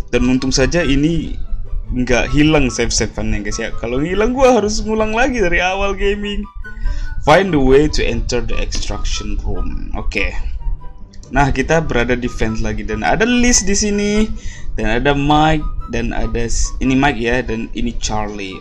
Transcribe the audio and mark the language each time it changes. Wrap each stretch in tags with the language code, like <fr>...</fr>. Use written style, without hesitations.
<id>Dan untung saja ini nggak hilang save-savenya, guys, ya. Kalau hilang, gue harus ngulang lagi dari awal gaming.</id> <en>Find the way to enter the extraction room.</en> <id>Oke. Nah, kita berada di vent lagi, dan ada Liz di sini, dan ada Mike, dan ada ini Mike, ya, dan ini Charlie.</id>